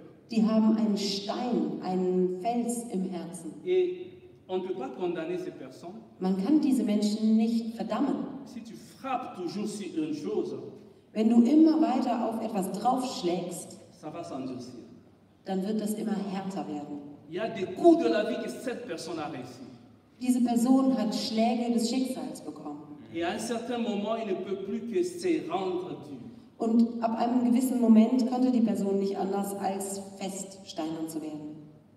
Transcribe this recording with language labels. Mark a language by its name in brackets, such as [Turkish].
[German] Die haben einen Stein, einen Fels im Herzen. [French] Et on peut pas condamner ces personnes. [German] Man kann diese Menschen nicht verdammen. [French] Si tu frappes toujours sur une chose, [German] wenn du immer weiter auf etwas draufschlägst, [French] ça va s'endurcir. [German] Dann wird das immer härter werden. [French] Il y a des coups de la vie que cette personne a reçu. [German] Diese Person hat Schläge des Schicksals bekommen. [French] Et à un certain moment, il ne peut plus que se rendre dur. [German] Und ab einem gewissen Moment konnte die Person nicht anders, als feststeinern zu werden.